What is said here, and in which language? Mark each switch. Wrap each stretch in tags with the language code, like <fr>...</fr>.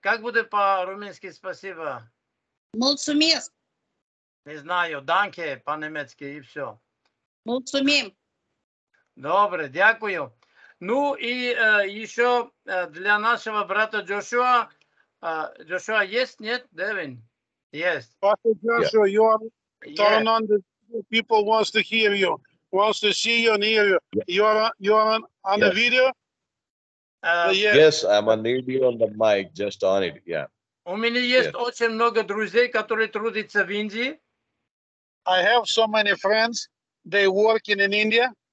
<ru>Как будет по-румынски спасибо?</ru> <ro>Мулцумес.</ro> <ru>Не знаю, данке по-немецки и все.</ru> <ro>Мулцумим.</ro> <uk>Добре, дякую.</uk> <ru>Ну и еще для нашего брата Джошуа. Джошуа, есть, нет, Девин? Есть.</ru> <en>Пастор Джошуа, you are turning on the people wants to hear you, wants to see you and hear you. You are on the video? Yes, I'm on video on the mic, just on it,</en> <ru>У меня есть очень много друзей, которые трудятся в Индии.</ru> <en>I have so many friends, they work in India.</en>